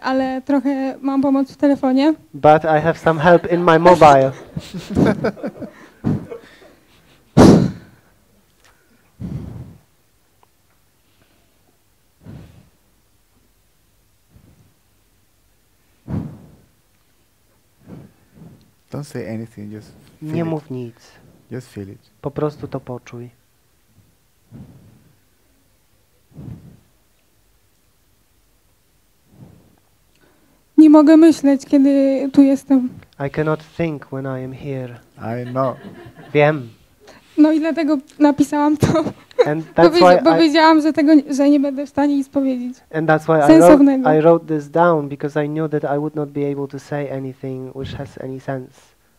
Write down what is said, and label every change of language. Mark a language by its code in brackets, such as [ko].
[pl] Ale trochę mam pomoc w telefonie. [en] But I have some help in my mobile. Don't say anything, just feel it. [pl] Nie mów nic. [en] Just feel it. [pl] Po prostu to poczuj. Nie mogę myśleć, kiedy tu jestem. [en] I cannot think when I am here. I know. [pl] Wiem. No i dlatego napisałam to. Bo wiedziałam, że tego że nie będę w stanie nic powiedzieć. [en] And that's why I wrote this down because I knew that I would not be able to say anything which has any sense.